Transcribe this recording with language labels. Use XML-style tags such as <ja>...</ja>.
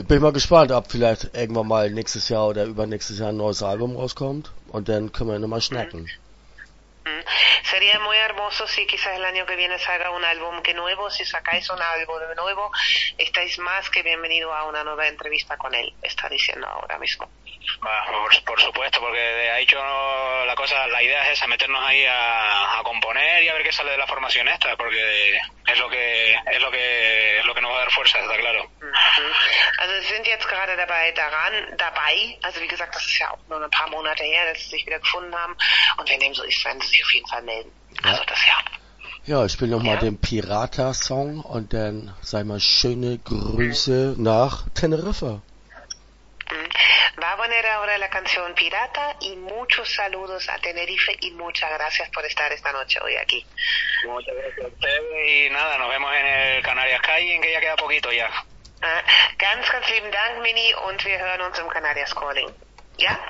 <de>Ich bin mal gespannt, ob vielleicht irgendwann mal nächstes Jahr oder übernächstes Jahr ein neues Album rauskommt. Und dann können wir nochmal schnacken.</de> <es>Sería muy hermoso si quizás el año que viene salga un álbum que nuevo. Si sacáis un álbum de nuevo, estáis más que bienvenido a una nueva entrevista con él. Está diciendo ahora mismo. Por supuesto, porque ha dicho la cosa, la idea es esa, meternos ahí a componer y a ver qué sale de la formación esta, porque es lo que nos va a dar fuerza, está claro.</es> <de>Also sie sind jetzt gerade dabei, also wie gesagt, das ist ja auch nur ein paar Monate her, dass sie sich wieder gefunden haben, und wenn dem so ist, werden sie sich auf jeden Fall melden. Ja. Also das ja. Ja, ich spiele nochmal den Pirata-Song und dann sag mal schöne Grüße nach Teneriffa.</de> <es>Va a poner ahora la canción Pirata y muchos saludos a Tenerife y muchas gracias por estar esta noche hoy aquí. Muchas gracias a ustedes y nada, nos vemos en el Canarias Calling, que ya queda poquito ya.</es> <de>Ganz, ganz lieben Dank, Mini, und wir hören uns im Canarias Calling. Ja?</de>